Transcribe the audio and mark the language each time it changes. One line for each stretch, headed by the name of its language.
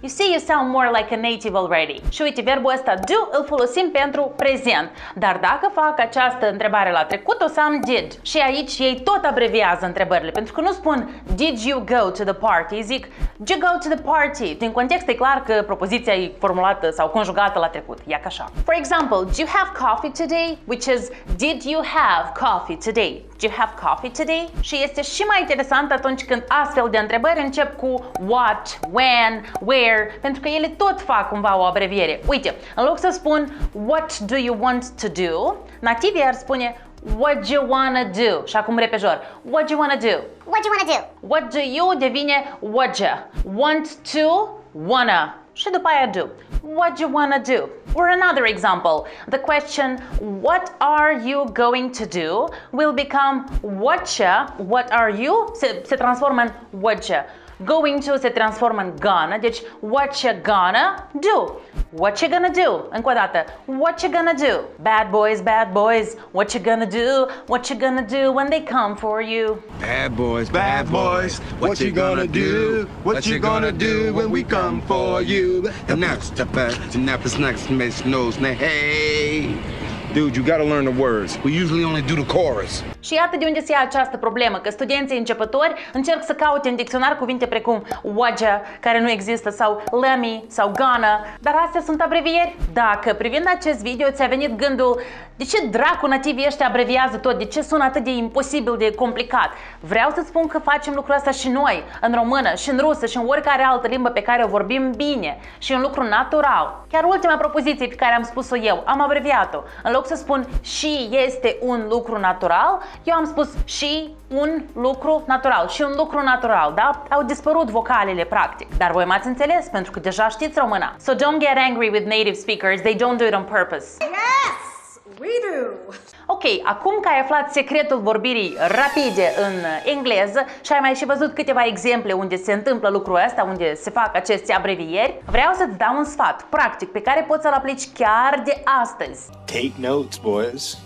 English: You see, you sound more like a native already.
Romanian: Și uite, verbul ăsta do îl folosim pentru prezent. Dar dacă fac această întrebare la trecut, o să am did. Și aici ei tot abreviază întrebările, pentru că nu spun
English: did you go to the party,
Romanian: zic did you go to the party. Din context e clar că propoziția e formulată sau conjugată la trecut. Ia ca așa.
English: For example, do you have coffee today? Which is did you have coffee today? Do you have coffee today?
Romanian: Și este și mai interesant atunci când astfel de întrebări încep cu what, when, where, pentru că ele tot fac cumva o abreviere. Uite, în loc să spun
English: what do you want to do,
Romanian: nativii ar spune
English: what do you wanna do?
Romanian: Și acum repejor, what do you wanna do? What do you wanna do? What do you devine what do. Want to, wanna. Și după aia do. What do you wanna do?
English: Or another example, the question what are you going to do will become whatcha, what are you,
Romanian: se transformă în
English: whatcha. Going to
Romanian: se transformă în
English: gonna,
Romanian: deci
English: whatcha gonna do. Whatcha gonna do?
Romanian: Încă o dată,
English: whatcha gonna do? Bad boys, whatcha gonna do? Whatcha gonna do when they come for you? Bad boys, whatcha gonna do? Whatcha gonna do when we come for you? The next step back, the nappers next, miss knows, now hey! Dude, you gotta learn the words. We usually only do the chorus.
Romanian: Și iată de unde se ia această problemă, că studenții începători încerc să caute în dicționar cuvinte precum whatcha, care nu există, sau lemmy, sau gonna, dar astea sunt abrevieri. Dacă privind acest video ți-a venit gândul de ce dracu nativii ăștia abreviază tot, de ce sună atât de imposibil, de complicat, vreau să spun că facem lucrul ăsta și noi, în română, și în rusă, și în oricare altă limbă pe care o vorbim bine, și un lucru natural. Chiar ultima propoziție pe care am spus-o eu, am abreviat-o. În loc să spun și este un lucru natural, eu am spus și un lucru natural, și un lucru natural, da? Au dispărut vocalele, practic. Dar voi m-ați înțeles, pentru că deja știți româna.
English: So don't get angry with native speakers, they don't do it on purpose. Yes, we do!
Romanian: Ok, acum că ai aflat secretul vorbirii rapide în engleză și ai mai și văzut câteva exemple unde se întâmplă lucrul ăsta, unde se fac aceste abrevieri, vreau să-ți dau un sfat practic pe care poți să-l aplici chiar de astăzi.
English: Take notes, boys!